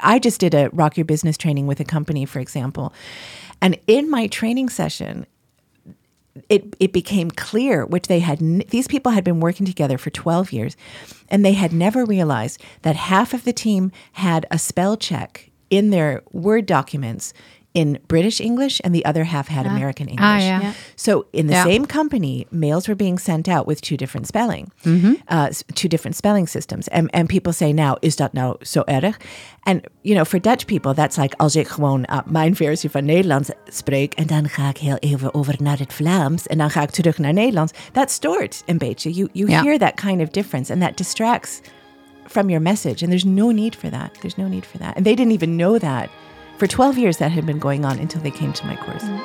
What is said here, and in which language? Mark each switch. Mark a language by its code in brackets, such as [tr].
[en] Yeah. I just did a Rock Your Business training with a company, for example. And in my training session, it became clear, which they had, these people had been working together for 12 years, and they had never realized that half of the team had a spell check in their Word documents in British English, and the other half had American English. Ah, yeah. So in the same company, mails were being sent out with two different spelling, two different spelling systems. And people say, now, [nl] is dat nou zo erg? [en] And, you know, for Dutch people, that's like, [nl] als ik gewoon mijn versie van Nederlands spreek, en dan ga ik heel even over naar het Vlaams, en dan ga ik terug naar Nederlands. That's stort in beetje. [en] You hear that kind of difference, and that distracts from your message. And there's no need for that. There's no need for that. And they didn't even know that. For 12 years, that had been going on until they came to my course.